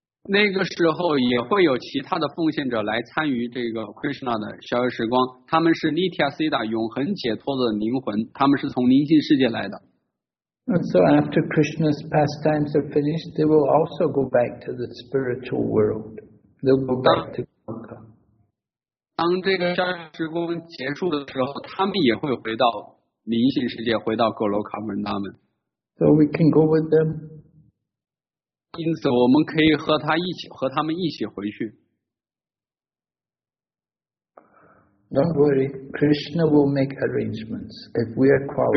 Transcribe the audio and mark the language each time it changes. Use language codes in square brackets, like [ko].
[zh] 那个时候也会有其他的奉献者来参与这个 Krishna 的逍遥时光。他们是 Nityasiddha 永恒解脱的灵魂，他们是从灵性世界来的。 [en] And so after Krishna's pastimes are finished, they will also go back to the spiritual world. They'll go back to Goloka. [zh] 当这个逍遥时光结束的时候，他们也会回到灵性世界，回到格罗卡文达门。 [en] So we can go with them. [zh] 因此，我们可以和他们一起回去。 [en] Don't worry, Krishna will make arrangements if we are qualified.